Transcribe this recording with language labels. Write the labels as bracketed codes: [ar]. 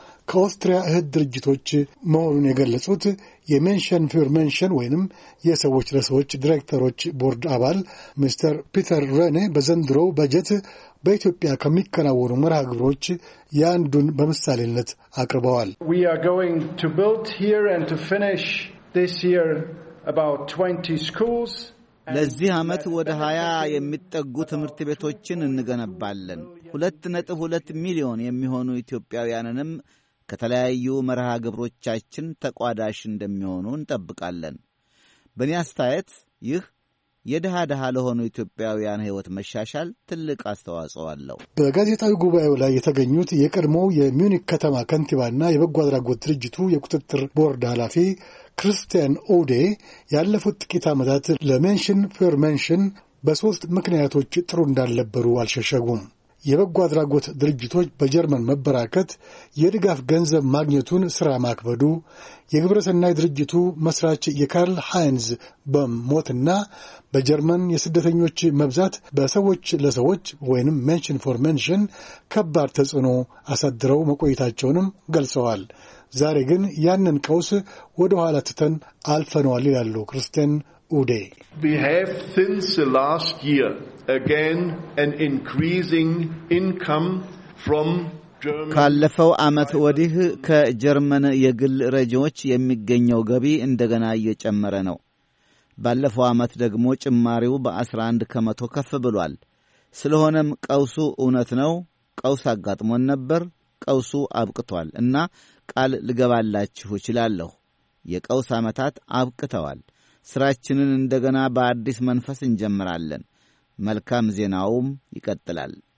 [am] ከኦስትሪያ እህት ድርጅቶች መሆኑን የገለጹት የሜንሽን ፎር ሜንሽን ወይንም የሰዎች ለሰዎች ዲሬክተሮች ቦርድ አባል ሚስተር ፒተር ረኔ በዘንድሮው በጀት በኢትዮጵያ ከሚከናወኑ መርሃ ግብሮች የአንዱን በምሳሌነት አቅርበዋል። [en] We are going to build here and to finish this year about 20 schools. [am] ለዚህ አመት ወደ 20 የሚጠጉ ትምህርት ቤቶችን እንገነባለን። 2.2 ሚሊዮን የሚሆኑ ኢትዮጵያውያንንም ከተለያዩ መርሃ ግብሮቻችን ተቋዳሽ እንደሚሆኑ እንጠብቃለን። በእኛ አስተያየት ይህ የደሃ ለሆኑ ኢትዮጵያውያን ህይወት መሻሻል ትልቅ አስተዋጽኦ አለው። በጋዜጣዊ ጉባኤው ላይ የተገኙት የቀድሞው የሚዩኒክ ከተማ ከንቲባና የበጎ አድራጎት ድርጅቱ የቁጥጥር ቦርድ ኃላፊ ክርስቲያን ኦዴ ያለፉት ጥቂት አመታት ለሜንሽን ፎር ሜንሽን በሶስት ምክንያቶች ጥሩ እንዳልነበሩ አልሸሸጉም። የበጎ አድራጎት ድርጅቶች በጀርመን መበራከት የድጋፍ ገንዘብ ማግኘቱን ሥራ ማክበዱ፣ የግብረሰናይ ድርጅቱ መስራች የካርል ሃይንዝ በሞትና በጀርመን የስደተኞች መብዛት በሰዎች ለሰዎች ወይንም ሜንሽን ፎር ሜንሽን ከባድ ተጽዕኖ አሳድረው መቆየታቸውንም ገልጸዋል። ዛሬ ግን ያንን ቀውስ ወደ ኋላ ትተን አልፈነዋል ይላሉ ክርስቲን ኡዴ። [en] We have since last year again an increasing income from Germany. [am] ካለፈው ዓመት ወዲህ ከጀርመን የግል ረጂዎች የሚገኘው ገቢ እንደገና እየጨመረ ነው። ባለፈው ዓመት ደግሞ ጭማሪው በ11% ከፍ ብሏል። ስለሆነም ቀውሱ እውነት ነው። ቀውስ አጋጥሞን ነበር። ቀውሱ አብቅቷል እና ቃል ልገባላችሁ እችላለሁ። የቀውስ ዓመታት አብቅተዋል። ስራችንን እንደገና በአዲስ መንፈስ እንጀምራለን። መልካም ዜናውም ይቀጥላል።